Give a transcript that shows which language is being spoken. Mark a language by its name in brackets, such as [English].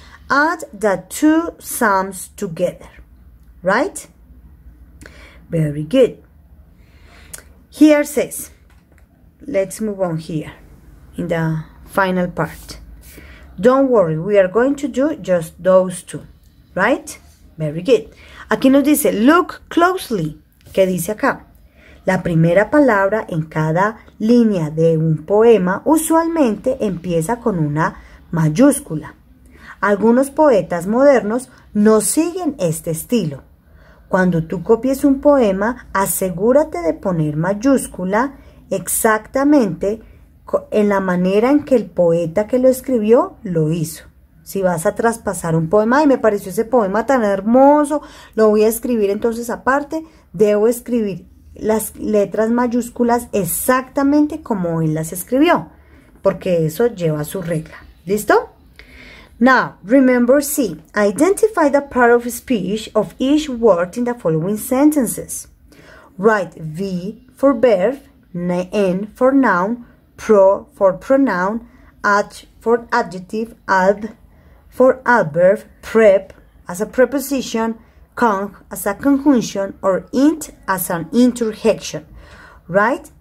[English] Add the two sums together, right? Very good. Here says, let's move on here in the final part. Don't worry, we are going to do just those two, right? Very good. [Spanish] Aquí nos dice, [English] look closely. [Spanish] ¿Qué dice acá? La primera palabra en cada línea de un poema usualmente empieza con una mayúscula. Algunos poetas modernos no siguen este estilo. Cuando tú copies un poema, asegúrate de poner mayúscula exactamente en la manera en que el poeta que lo escribió lo hizo. Si vas a traspasar un poema, ¡ay, me pareció ese poema tan hermoso! Lo voy a escribir entonces aparte. Debo escribir las letras mayúsculas exactamente como él las escribió, porque eso lleva su regla. ¿Listo? [English] Now, remember C. Identify the part of speech of each word in the following sentences. Write V for verb, N for noun, pro for pronoun, ad for adjective, ad for adverb, prep as a preposition, cong as a conjunction, or int as an interjection. Right?